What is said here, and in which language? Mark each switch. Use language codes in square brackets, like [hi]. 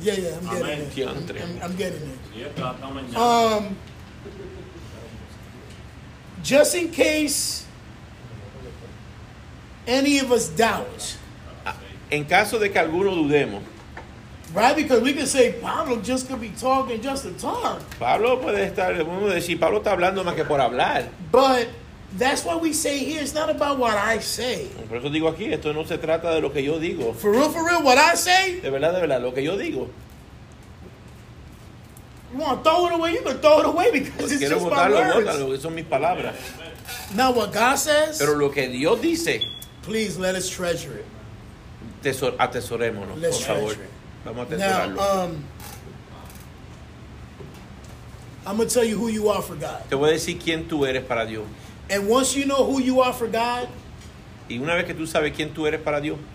[en] Yeah, yeah, I'm getting it. I'm getting it. Just in case any of us doubt. [es] En caso de que alguno dudemos. [en] Right, because we can say Pablo just could be talking just to talk. [es] Pablo puede estar, podemos decir, Pablo está hablando más que por hablar. [en] But that's what we say here. It's not about what I say. [es] Por eso digo aquí, esto no se trata de lo que yo digo. [en] For real, what I say. [es] De verdad, lo que yo digo. [en] You want to throw it away? You can throw it away because it's just [es] botarlo, [en] my words. [es] Quiero botarlo, son mis palabras. [en] Now what God says. [es] Pero lo que Dios dice. [en] Please let us treasure it. [es] Atesorémonos, [en] let's [es] por favor. [en] Now, I'm going to tell you who you are for God. [es] Te voy a decir quién tú eres para Dios. [en] And once you know who you are for God, [es] y una vez que tú sabes quién tú eres para Dios,